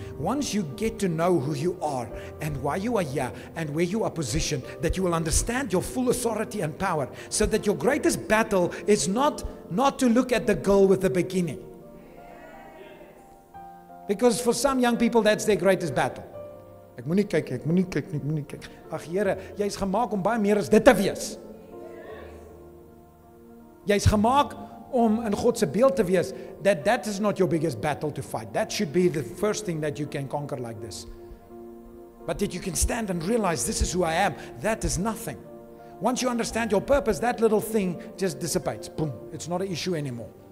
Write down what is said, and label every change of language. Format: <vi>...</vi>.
<en>Once you get to know who you are and why you are here and where you are positioned, that you will understand your full authority and power, so that your greatest battle is not to look at the girl with the bikini. Because for some young people, that's their greatest battle.</en> <af>Ek moet nie kyk, ek moet nie kyk, ek moet nie kyk. Ag Here, jy is gemaak om baie meer as dit te wees. Jy is gemaak om in God se beeld te wees.</af> <en>That is not your biggest battle to fight. That should be the first thing that you can conquer like this. But that you can stand and realize this is who I am, that is nothing. Once you understand your purpose, that little thing just dissipates. Boom, it's not an issue anymore.</en>